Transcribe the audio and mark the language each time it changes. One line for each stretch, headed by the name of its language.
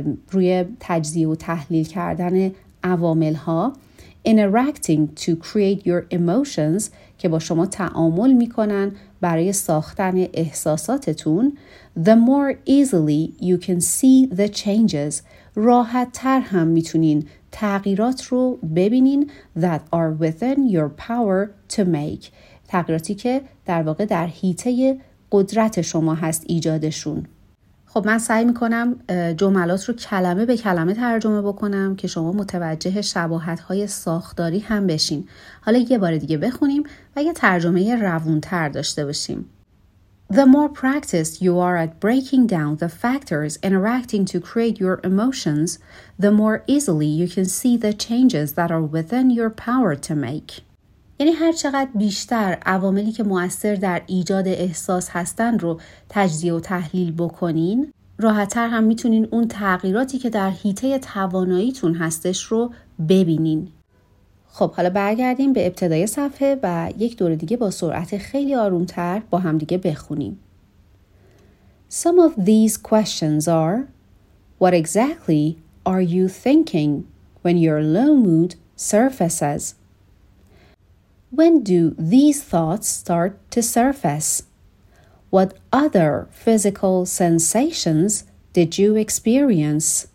Persian: روی تجزیه و تحلیل کردن عوامل ها
English: interacting to create your emotions
Persian: که با شما تعامل میکنن برای ساختن احساساتتون
English: the more easily you can see the changes
Persian: راحت تر هم میتونین تغییرات رو ببینین
English: that are within your power to make
Persian: تغییراتی که در واقع در حیطه قدرت شما هست ایجادشون. خب من سعی میکنم جملات رو کلمه به کلمه ترجمه بکنم که شما متوجه شباهت‌های ساختاری هم بشین. حالا یه بار دیگه بخونیم و یه ترجمه روون‌تر داشته باشیم.
English: The more practiced you are at breaking down the factors interacting to create your emotions, the more easily you can see the changes that are within your power to make.
Persian: یعنی هر چقدر بیشتر عواملی که مؤثر در ایجاد احساس هستن رو تجزیه و تحلیل بکنین، راحت‌تر هم میتونین اون تغییراتی که در حیطه تواناییتون هستش رو ببینین. خب حالا برگردیم به ابتدای صفحه و یک دور دیگه با سرعت خیلی آروم‌تر با هم دیگه بخونیم.
English: Some of these questions are: What exactly are you thinking when your low mood surfaces? When do these thoughts start to surface? What other physical sensations did you experience?